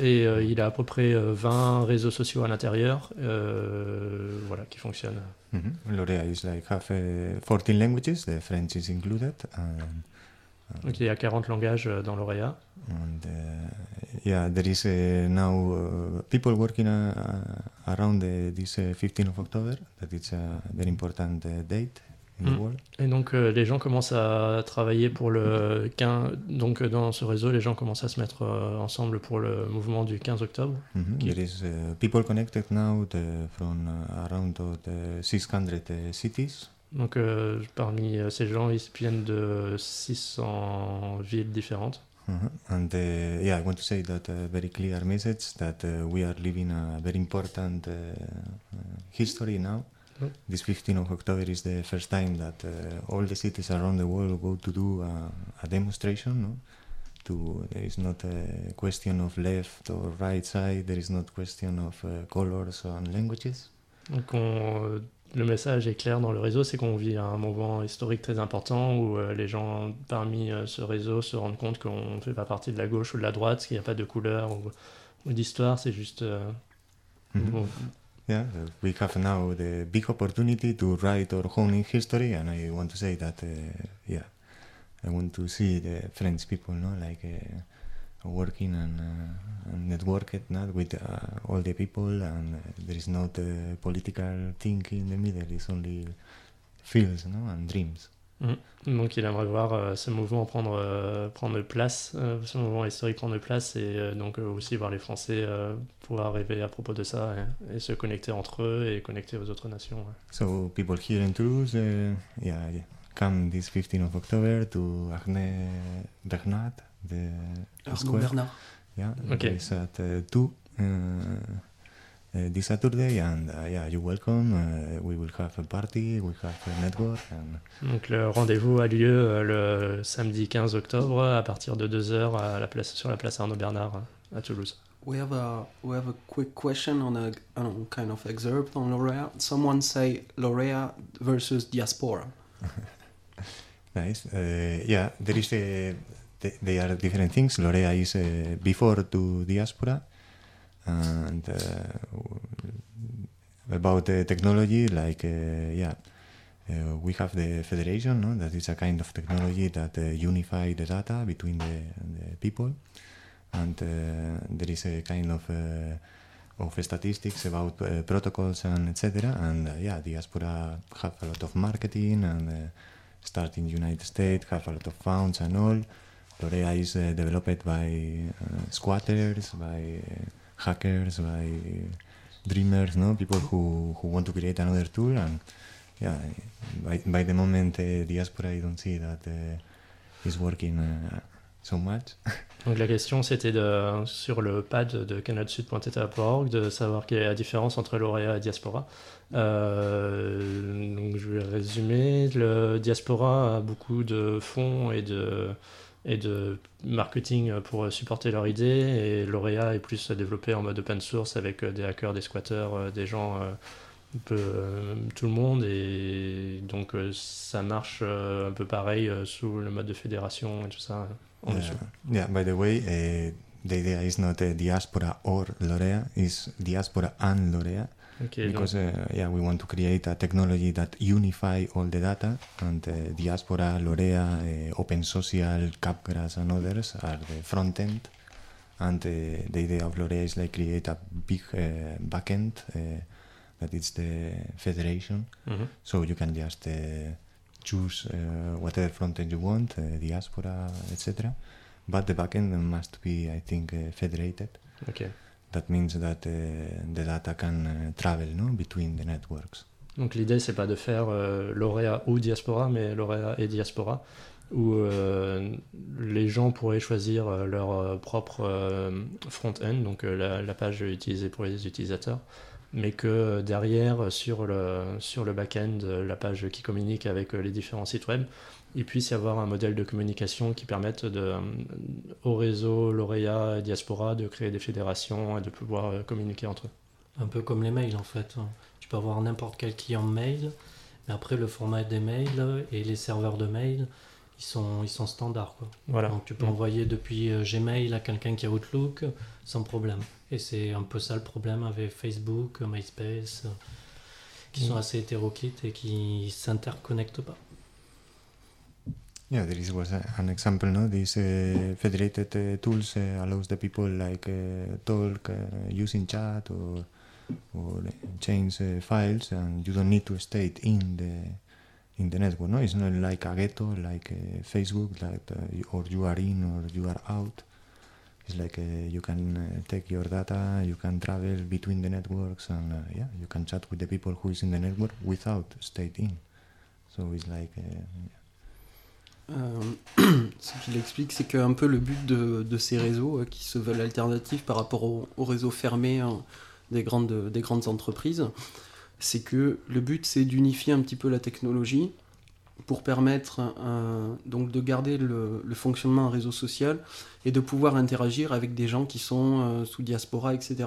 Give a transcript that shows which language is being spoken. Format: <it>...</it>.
<fr>Et il a à peu près 20 réseaux sociaux à l'intérieur, voilà, qui fonctionnent.</fr> <en>Lauréat is like half 14 languages, the French is included.</en> <fr>Donc il y a 40 langages dans Lauréat.</fr> <en>And yeah, there is now people working around this 15th of October, that it's a very important date.</en> <fr>Et donc les gens commencent à travailler pour le 15, donc dans ce réseau les gens commencent à se mettre ensemble pour le mouvement du 15 octobre.</fr> <en>There is people connected now from around 600 cities.</en> <fr>Donc parmi ces gens ils viennent de 600 villes différentes.</fr> <en>And yeah, I want to say that very clear message that we are living a very important history now. This 15th of October is the first time that all the cities around the world go to do a demonstration. No? There is not a question of left or right side, there is not a question of colors and languages.</en> <fr>Donc le message est clair dans le réseau, c'est qu'on vit un moment historique très important où les gens parmi ce réseau se rendent compte qu'on ne fait pas partie de la gauche ou de la droite, qu'il n'y a pas de couleur ou d'histoire, c'est juste...</fr> <en>Yeah, we have now the big opportunity to write our own history, and I want to say that, yeah, I want to see the French people, no, like working and networked, not with all the people, and there is not a political thinking in the middle. It's only feels, no, and dreams.</en> <fr>Donc il aimerait voir ce mouvement prendre place, ce mouvement historique prendre place, et donc aussi voir les Français pouvoir rêver à propos de ça et se connecter entre eux et connecter aux autres nations.</fr> <en>So people here in Toulouse, come this 15th of October to Arnay Bernard, the Arnaud Bernard. Yeah, okay. It's at 2 this Saturday, and yeah, you're welcome. We will have a party, we have a network. And...</en> <fr>Donc le rendez-vous a lieu le samedi 15 octobre à partir de 2h à la place, sur la place Arnaud Bernard à Toulouse.</fr> <en>We have a quick question on a kind of excerpt on Laurea. Someone say Laurea versus diaspora. Nice. Yeah, there is a, they are different things. Laurea is before to diaspora, and about the technology, like we have the federation, no? That is a kind of technology that unify the data between the people. And there is a kind of statistics about protocols and etc. And diaspora have a lot of marketing and start in United States, have a lot of funds and all. Laurea is developed by squatters, by hackers, by dreamers, no? People who want to create another tool. And by the moment diaspora, I don't see that is working so much.</en> <fr>Donc la question c'était de, sur le pad de canalsud.eta.org, de savoir quelle est la différence entre Laurea et Diaspora. Donc je vais résumer, le Diaspora a beaucoup de fonds et de marketing pour supporter leur idée, et Laurea est plus développé en mode open source avec des hackers, des squatters, des gens, tout le monde, et donc ça marche un peu pareil sous le mode de fédération et tout ça.</fr> <en>By the way, the idea is not a diaspora or Laurea, it's diaspora and Laurea. Okay, because we want to create a technology that unify all the data, and diaspora, Laurea, Open Social, Capgras and others are the front end, and the idea of Laurea is like create a big back end, that is the federation. Mm-hmm. So you can just choose whatever frontend you want, diaspora, etc. But the backend must be, I think, federated. Okay. That means that the data can travel, no, between the networks.</en> <fr>Donc l'idée c'est pas de faire Laurea ou diaspora, mais Laurea et diaspora, où les gens pourraient choisir leur propre frontend, donc la page utilisée pour les utilisateurs. Mais que derrière, sur le back-end, la page qui communique avec les différents sites web, il puisse y avoir un modèle de communication qui permette au réseau Laurea et Diaspora de créer des fédérations et de pouvoir communiquer entre eux. Un peu comme les mails, en fait. Tu peux avoir n'importe quel client mail, mais après, le format des mails et les serveurs de mails, ils sont standards, quoi. Voilà. Donc tu peux envoyer depuis Gmail à quelqu'un qui a Outlook sans problème. Et c'est un peu ça le problème avec Facebook, MySpace, qui sont assez hétéroclites et qui ne s'interconnectent pas.</fr> <en>Yeah, there is was an example, no? These federated tools allows the people like talk using chat or change files, and you don't need to stay in the network, no? It's not like a ghetto, like Facebook, that or you are in or you are out. It's like you can take your data, you can travel between the networks, and you can chat with the people who is in the network without staying in. So it's like.</en> <fr>ce qu'il explique, c'est qu'un peu le but de ces réseaux qui se veulent alternatifs par rapport aux réseaux fermés des grandes entreprises, c'est que le but c'est d'unifier un petit peu la technologie pour permettre donc de garder le fonctionnement en réseau social et de pouvoir interagir avec des gens qui sont sous diaspora, etc.</fr>